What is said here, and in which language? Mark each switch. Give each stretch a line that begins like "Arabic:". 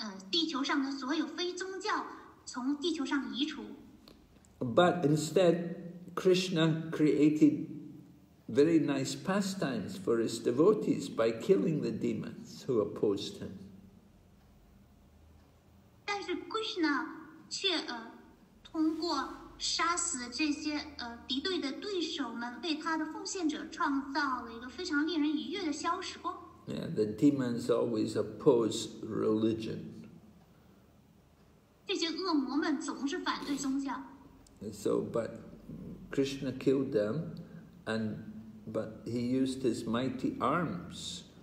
Chinese: 地球上的所有非宗教从地球上移除。
English: But instead, Krishna created very nice pastimes for his devotees by killing the demons who opposed him.
Chinese: 但是 Krishna 却通过杀死这些敌对的对手们，为他的奉献者创造了一个非常令人愉悦的消食光。
English: Yeah, the demons always oppose religion.
Chinese: 这些恶魔们总是反对宗教。
English: So, but Krishna killed them, and but he used his mighty arms,